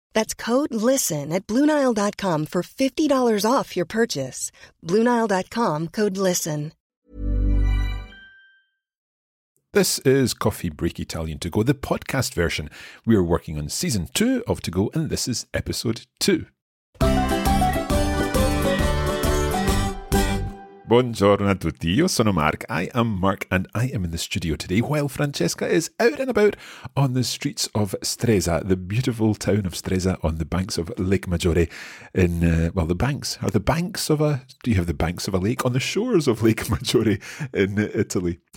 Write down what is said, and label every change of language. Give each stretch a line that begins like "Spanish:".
English: That's code LISTEN at BlueNile.com for $50 off your purchase. BlueNile.com, code LISTEN. This is Coffee Break Italian To Go, the podcast version. We are working on season 2 of To Go, and this is episode 2.
Italian: Buongiorno a tutti, io sono Mark.
English: I am Mark, and I am in the studio today while Francesca is out and about on the streets of Stresa, the beautiful town of Stresa on the banks of Lake Maggiore. Do you have the banks of a lake on the shores of Lake Maggiore in Italy?